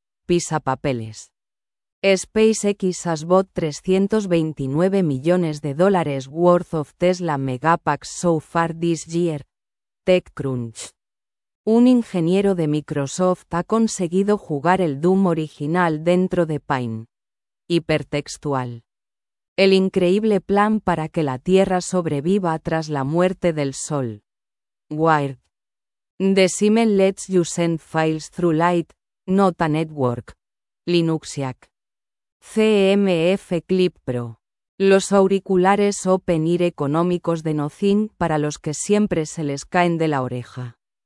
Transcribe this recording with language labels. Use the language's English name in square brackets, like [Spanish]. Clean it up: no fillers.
[Spanish] Pisa papeles. [English] SpaceX has bought $329 million worth of Tesla Megapacks so far this year. TechCrunch. [Spanish] Un ingeniero de Microsoft ha conseguido jugar el Doom original dentro de Paint. Hipertextual. El increíble plan para que la Tierra sobreviva tras la muerte del Sol. Wired. [English] The Siemens lets you send files through light, not a network. Linuxiac. CMF Clip Pro. [Spanish] Los auriculares Open Ear económicos de Nothing para los que siempre se les caen de la oreja.